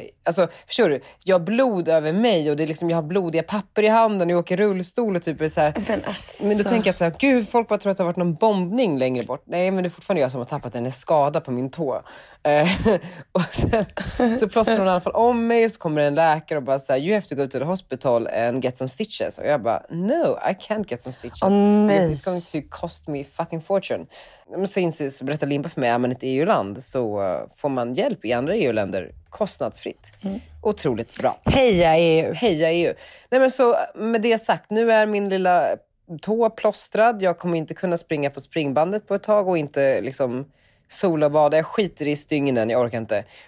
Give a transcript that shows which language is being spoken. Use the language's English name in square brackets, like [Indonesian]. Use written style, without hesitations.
[Swedish] Alltså förstår du, jag har blod över mig och det är liksom, jag har blodiga papper i handen och jag åker rullstol och typ så här. Men, alltså, men då tänker jag att så här, gud, folk bara tror att det har varit någon bombning längre bort. Nej, men det är fortfarande jag som har tappat en skada på min tå. Och sen så plåstrar hon i alla fall om mig och så kommer en läkare och bara säger, [English] you have to go to the hospital and get some stitches. [Swedish] Och jag bara, [English] no, I can't get some stitches. Oh, this is going to cost me fucking fortune. [Swedish] Men sen så berättar Limpa för mig, är man ett EU-land så får man hjälp i andra EU-länder kostnadsfritt. Mm. Otroligt bra. Heja EU! Heja EU! Nej, men så med det sagt, nu är min lilla tå plåstrad. Jag kommer inte kunna springa på springbandet på ett tag och inte liksom sola och bada. Jag skiter i stygnen, jag orkar inte.